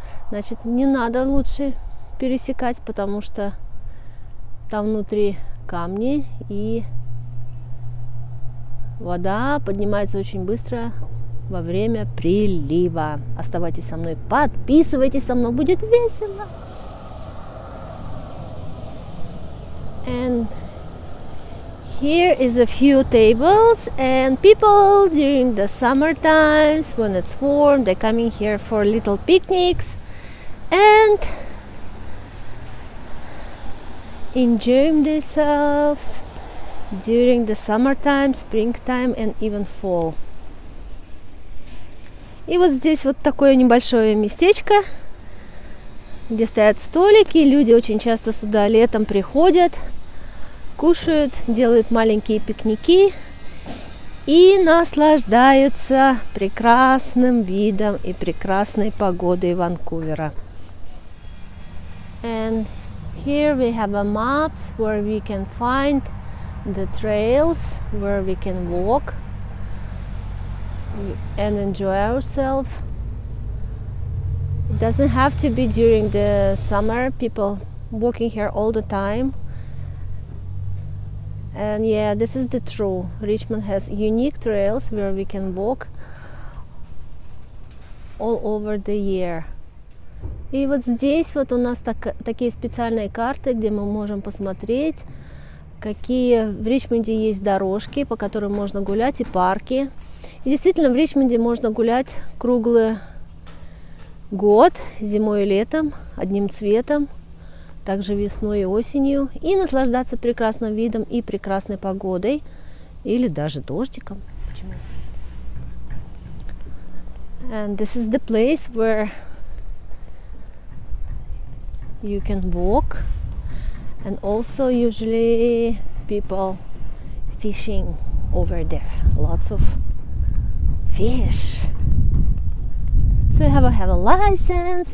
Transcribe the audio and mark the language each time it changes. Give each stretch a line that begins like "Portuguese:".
Russian: Значит, не надо лучше пересекать, потому что там внутри камни, и вода поднимается очень быстро во время прилива. Оставайтесь со мной, подписывайтесь со мной, будет весело.
English: And here is a few tables, and people during the summer times, when it's warm, they're coming here for little picnics and enjoying themselves during the summertime, springtime and even fall.
Russian: И вот здесь вот такое небольшое местечко, где стоят столики, люди очень часто сюда летом приходят, кушают, делают маленькие пикники и наслаждаются прекрасным видом и прекрасной погодой Ванкувера.
English: And here we have a maps where we can find the trails where we can walk and enjoy ourselves. It doesn't have to be during the summer, people walking here all the time. And yeah, this is the true. Richmond has unique trails where we can walk all over the year.
Russian: И вот здесь вот у нас такие специальные карты, где мы можем посмотреть, какие в Ричмонде есть дорожки, по которым можно гулять, и парки. И действительно, в Ричмонде можно гулять круглый год, зимой и летом, одним цветом. Также весной и осенью, и наслаждаться прекрасным видом и прекрасной погодой, или даже дождиком. Почему?
English: And this is the place where you can walk, and also usually people fishing over there. Lots of fish. So you have a license.